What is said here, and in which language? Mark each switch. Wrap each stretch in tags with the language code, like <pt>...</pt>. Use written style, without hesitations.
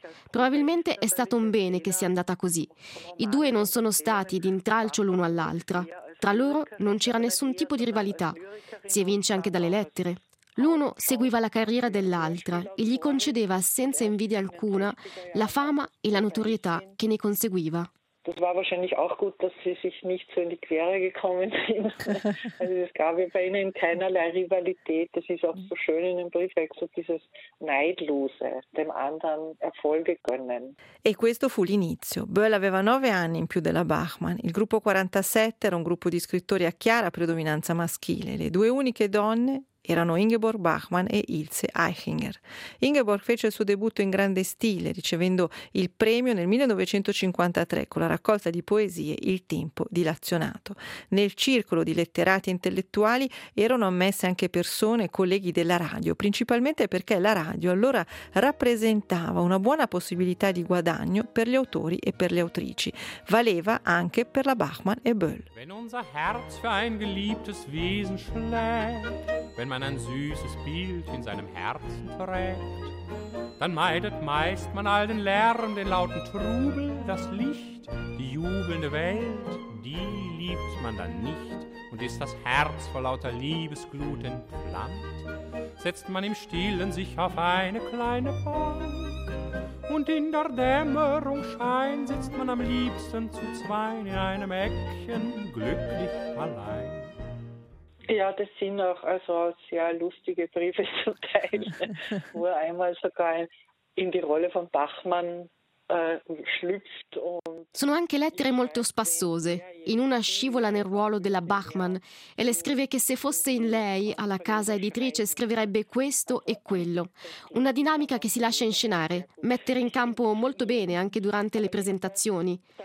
<it>Probabilmente è stato un bene che sia andata così. I due non sono stati d'intralcio l'uno all'altra. Tra loro non c'era nessun tipo di rivalità. Si evince anche dalle lettere. L'uno seguiva la carriera dell'altra e gli concedeva senza invidia alcuna la fama e la notorietà che ne conseguiva.</it> <de>Das war wahrscheinlich auch gut, dass sie sich nicht so in die Quere gekommen sind. Also es gab bei ihnen keinerlei Rivalität. Das ist auch so schön in dem Briefwerk, so dieses Neidlose, dem anderen Erfolge gönnen.</de> <it>E questo fu l'inizio. Böll aveva 9 anni in più della Bachmann. Il gruppo 47 era un gruppo di scrittori a chiara predominanza maschile. Le due uniche donne erano Ingeborg Bachmann e Ilse Aichinger. Ingeborg fece il suo debutto in grande stile, ricevendo il premio nel 1953 con la raccolta di poesie Il tempo dilazionato. Nel circolo di letterati e intellettuali erano ammesse anche persone e colleghi della radio, principalmente perché la radio allora rappresentava una buona possibilità di guadagno per gli autori e per le autrici. Valeva anche per la Bachmann e Böll.</it> <de>Wenn unser Herz für ein geliebtes Wesen schlägt, wenn man ein süßes Bild in seinem Herzen trägt, dann meidet meist man all den Lärm, den lauten Trubel, das Licht, die jubelnde Welt, die liebt man dann nicht und ist das Herz vor lauter Liebesglut entflammt, setzt man im Stillen sich auf eine kleine Bank und in der Dämmerung schein sitzt man am liebsten zu zwein in einem Eckchen glücklich allein. Ja, das sind auch also sehr lustige Briefe zum Teil, wo er einmal sogar in die Rolle von Bachmann schlüpft.</de> <it>Sono anche lettere molto spassose. In una scivola nel ruolo della Bachmann e le scrive che se fosse in lei, alla casa editrice, scriverebbe questo e quello. Una dinamica che si lascia inscenare, mettere in campo molto bene anche durante le presentazioni.</it>